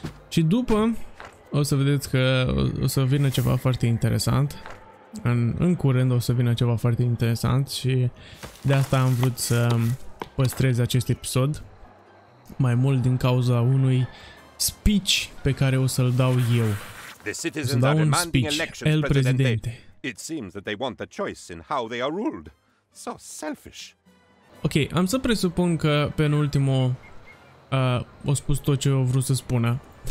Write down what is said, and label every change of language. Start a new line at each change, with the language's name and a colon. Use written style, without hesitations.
Romanian: Și după o să vedeți că o să vină ceva foarte interesant. În curând o să vină ceva foarte interesant și de asta am vrut să păstrez acest episod. Mai mult din cauza unui speech pe care o să-l dau eu.
English: The citizens are demanding elections, El Presidente. It seems that they want a choice in how they are ruled. So selfish.
Romanian: Ok, am să presupun că penultimul a spus tot ce a vrut să spună.